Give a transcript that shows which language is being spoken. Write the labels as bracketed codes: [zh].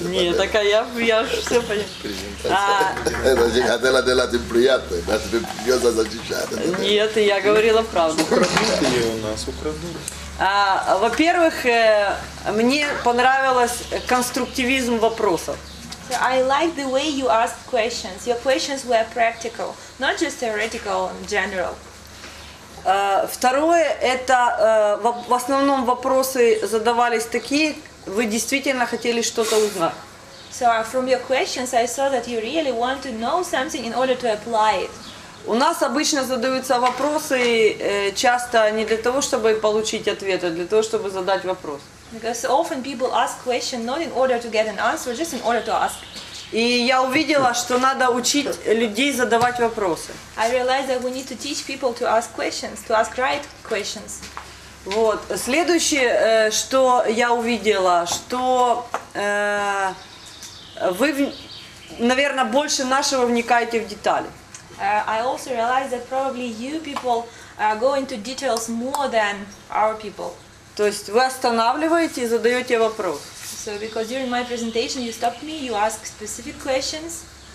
[ru] Нет, так я все понимаю. Это же хотела делать им приятное, да тебе придется защищать. Нет, я говорила правду. Украдут ее у нас, украдут. Во-первых, мне понравилось конструктивизм вопросов. [en] So I like the way you ask questions. Your questions were practical, not just theoretical in general. [ru] Второе, это в основном вопросы задавались такие, вы действительно хотели что-то узнать. [en] So from your questions I saw that you really want to know something in order to apply it. [ru] У нас обычно задаются вопросы часто не для того, чтобы получить ответы, а для того, чтобы задать вопрос. [en] Because often people ask questions not in order to get an answer, just in order to ask. [ru] И я увидела, что надо учить людей задавать вопросы. [en] I realized that we need to teach people to ask questions, to ask right questions. [ru] Вот. Следующее, что я увидела, что вы, наверное, больше нашего вникаете в детали. [en] I also realized that probably you people go into details more than our people. [ru] То есть вы останавливаете и задаете вопрос. [en] So because during my presentation you stopped me, you asked specific questions.